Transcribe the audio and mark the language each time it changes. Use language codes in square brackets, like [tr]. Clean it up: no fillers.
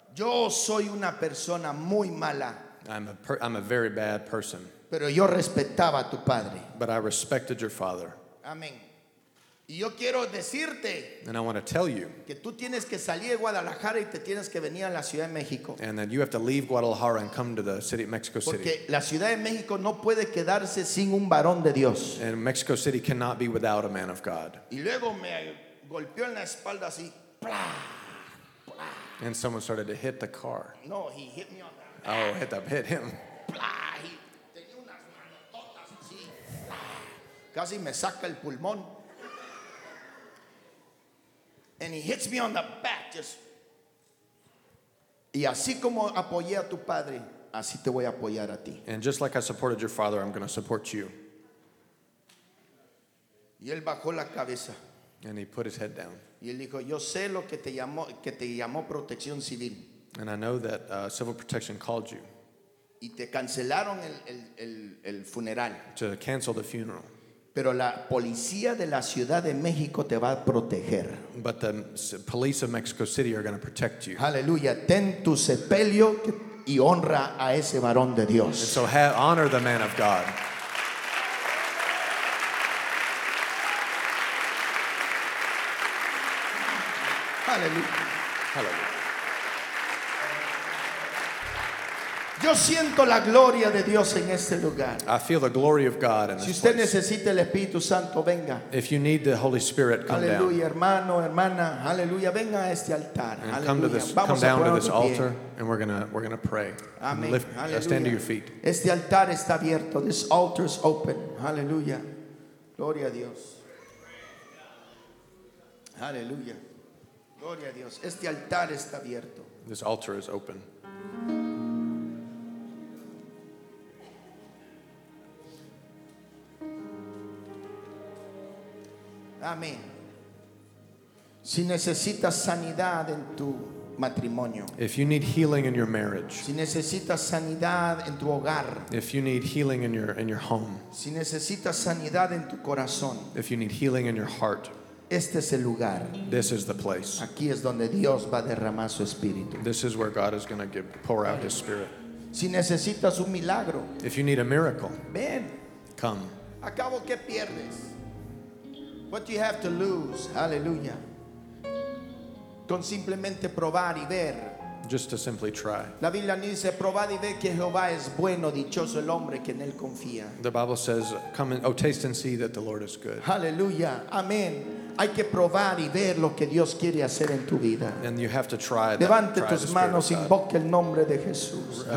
[es] Yo soy una persona muy mala. [en] I'm a very bad person. [es] Pero yo respetaba a tu padre. [en] But I respected your father. [es] Amén. Y yo quiero decirte, [en] and I want to tell you, [es] que tú tienes que salir de Guadalajara y te tienes que venir a la Ciudad de México. [en] And that you have to leave Guadalajara and come to the city, Mexico City. [es] Porque la Ciudad de México no puede quedarse sin un varón de Dios. [en] And Mexico City cannot be without a man of God. [es] Y luego me golpeó en la espalda así, ¡plah! ¡Plah! [en] And someone started to hit the car. No, he hit me on the back. Oh, hit him. [es] ¡Plah! He tenía unas manototas así. ¡Plah! Casi me saca el pulmón. [en] And he hits me on the back, just. [es] Y así como apoyé a tu padre, así te voy a apoyar a ti. [en] And just like I supported your father, I'm going to support you. [es] Y él bajó la cabeza. [en] And he put his head down. [es] Y él dijo, yo sé lo que te llamó Protección Civil. [en] And I know that Civil Protection called you. [es] Y te cancelaron el funeral. [en] To cancel the funeral. [es] Pero la policía de la Ciudad de México te va a proteger. [en] But the police of Mexico City are going to protect you. [es] Aleluya, ten tu sepelio y honra a ese varón de Dios. [en] And so honor the man of God. [es] Aleluya. Yo siento la gloria de Dios en este lugar. [en] I feel the glory of God in this place. [es] Si usted necesita el Espíritu Santo, venga. [en] If you need the Holy Spirit, come down. [es] Aleluya, hermano, hermana. Aleluya, venga a este altar. [en] And come to this, come down to this altar, and we're gonna pray. Amen. Stand to your feet. [es] Este altar está abierto. [en] This altar is open. [es] Aleluya. Gloria a Dios. Aleluya. Gloria a Dios. Este altar está abierto. [en] This altar is open. [es] Amén. Si necesitas sanidad en tu matrimonio. [en] If you need healing in your marriage. [es] Si necesitas sanidad en tu hogar. [en] If you need healing in your home. [es] Si necesitas sanidad en tu corazón. [en] If you need healing in your heart. [es] Este es el lugar. [en] This is the place. [es] Aquí es donde Dios va a derramar su espíritu. [en] This is where God is going to pour out his spirit. [es] Si necesitas un milagro. [en] If you need a miracle. [es] Ven. [en] Come. [es] Acabo que pierdes. [en] What you have to lose, hallelujah. [es] Con simplemente probar y ver. [en] Just to simply try. [es] La Biblia dice, probad y ve que Jehová es bueno, dichoso el hombre que en él confía. [en] The Bible says, come and taste and see that the Lord is good. Hallelujah. Amen. [es] Hay que probar y ver lo que Dios quiere hacer en tu vida. [en] And you have to try that. [es] Levante tus manos, invoque el nombre de Jesús.